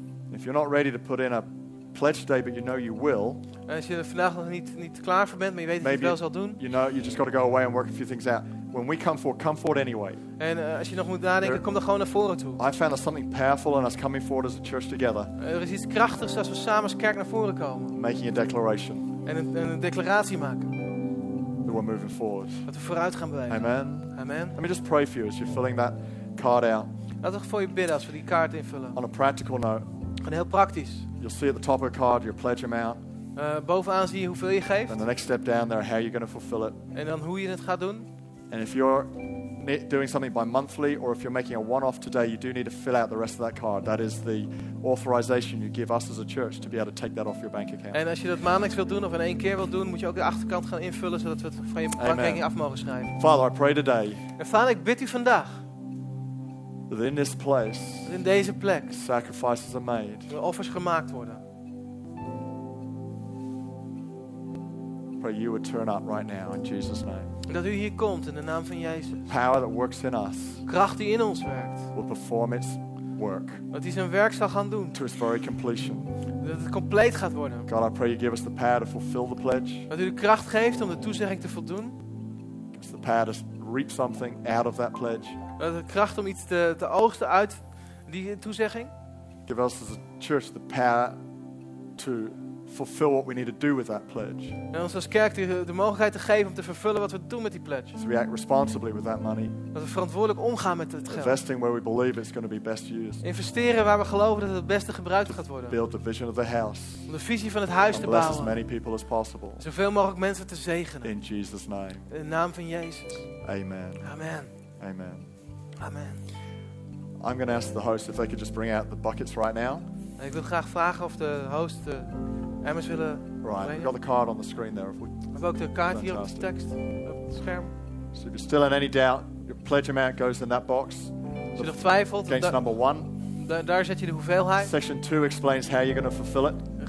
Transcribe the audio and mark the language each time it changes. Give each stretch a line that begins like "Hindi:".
English: If you're not ready to put in a pledge today, but you know you will.
Dutch: En als je er vandaag nog niet klaar voor bent, maar je weet dat je het wel zal doen.
English: You know, you just got to go away and work a few things out. When we come forward anyway.
Dutch: En als je nog moet nadenken, kom dan gewoon naar voren toe.
English: I found there's something powerful in us coming forward as a church together.
Dutch: Er is iets krachtigs als we samen als kerk naar voren komen.
English: Making a declaration.
Dutch: En een declaratie maken.
English: That we're moving forward.
Dutch: Dat we vooruit gaan bewegen.
English: Amen.
Dutch: Amen.
English: Let me just pray for you as you're filling that card out.
Dutch: Laten we voor je bidden als we die kaart invullen.
English: On a practical note.
Dutch: En heel praktisch.
English: You'll see at the top of the card your pledge amount.
Dutch: Bovenaan zie je hoeveel je geeft.
English: And the next step down there, how you're going to fulfill it.
Dutch: En dan hoe je het gaat doen.
English: And if you're doing something bi-monthly, or if you're making a one-off today, you do need to fill out the rest of that card. That is the authorization you give us as a church to be able to take that off your bank account.
Dutch: En als je dat maandelijks wilt doen of in één keer wilt doen, moet je ook de achterkant gaan invullen zodat we het van je bankrekening af mogen schrijven.
English: Father, I pray today.
Dutch: En Vader, ik bid u vandaag.
English: That in this place,
Dutch: that in deze plek,
English: sacrifices are made.
Dutch: De offers gemaakt worden.
English: Pray you would turn up right now in Jesus' name.
Dutch: Dat u hier komt in de naam van Jezus.
English: Power that works in us.
Dutch: Kracht die in ons werkt.
English: Will perform its work.
Dutch: Dat hij zijn werk zal gaan doen.
English: To its very completion.
Dutch: Dat het compleet gaat worden.
English: God, I pray you give us the power to fulfill the pledge.
Dutch: Dat u de kracht geeft om de toezegging te voldoen.
English: Give us the power to reap something out of that pledge.
Dutch: Dat de kracht om iets te oogsten uit die toezegging.
English: Give us as a church the power to fulfill what we need to do with that pledge.
Dutch: En ons als kerk de mogelijkheid te geven om te vervullen wat we doen met die pledge.
English: So we act responsibly with that money.
Dutch: Dat we verantwoordelijk omgaan met het geld.
English: Investing where we believe it's going to be best used.
Dutch: Investeren waar we geloven dat het beste gebruikt gaat worden.
English: Build the vision of the house.
Dutch: Om de visie van het huis te bouwen.
English: Bless as many people as possible.
Dutch: Zoveel mogelijk mensen te zegenen.
English: In Jesus' name.
Dutch: In de naam van Jezus.
English: Amen.
Dutch: Amen.
English: Amen.
Dutch: Amen.
English: I'm going to ask the host if they could just bring out the buckets right now.
Dutch: Ik wil graag vragen of de host de emmers willen brengen.
English: Right, we've got the card on the screen there.
Dutch: We hebben ook de kaart hier op de tekst, op het scherm.
English: So if you're still in any doubt, your pledge amount goes in that box.
Dutch: Als je nog twijfelt, daar zet je de hoeveelheid.
English: Section 2 explains how you're going to fulfill it.